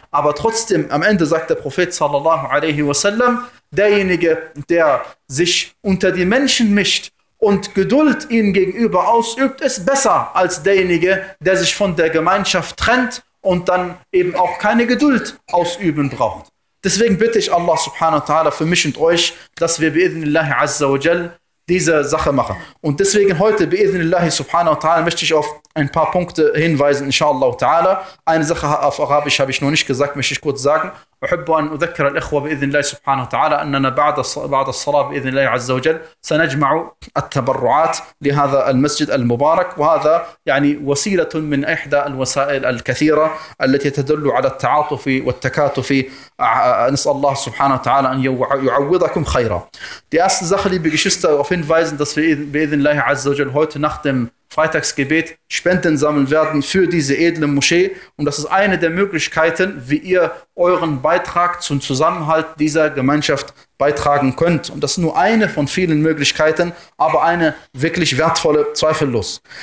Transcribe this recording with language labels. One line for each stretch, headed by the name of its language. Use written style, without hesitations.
German: Aber trotzdem, am Ende sagt der Prophet
Arabic: sallallahu alaihi wasallam,
German: derjenige, der sich unter die Menschen mischt und Geduld ihnen gegenüber ausübt, ist besser als derjenige, der sich von der Gemeinschaft trennt und dann eben auch keine Geduld ausüben braucht. Deswegen bitte ich Allah
Arabic: subhanahu wa ta'ala
German: für mich und euch, dass wir
Arabic: bi'idhnillahi azza wa jal
German: diese Sache machen. Und deswegen heute
Arabic: bi'idhnillahi subhanahu wa ta'ala
German: möchte ich auf ein paar Punkte hinweisen,
Arabic: inshallah ta'ala.
German: Eine Sache auf Arabisch habe ich noch nicht gesagt, möchte ich kurz sagen.
Arabic: أحب أن أذكر الإخوة بإذن الله سبحانه وتعالى أننا بعد الصلاة بإذن الله عز وجل سنجمع التبرعات لهذا المسجد المبارك وهذا يعني وسيلة من إحدى الوسائل الكثيرة التي تدل على التعاطف والتكاتف نسأل الله سبحانه وتعالى أن يعوضكم خيرا.
German: Die erste Sache, liebe Geschwister, auf hinweisen, dass wir
Arabic: بإذن الله عز وجل
German: heute nach dem Freitagsgebet Spenden sammeln werden für diese edle Moschee. Und das ist eine der Möglichkeiten, wie ihr euren Beitrag zum Zusammenhalt dieser Gemeinschaft beitragen könnt. Und das ist nur eine von vielen Möglichkeiten, aber eine wirklich wertvolle, zweifellos.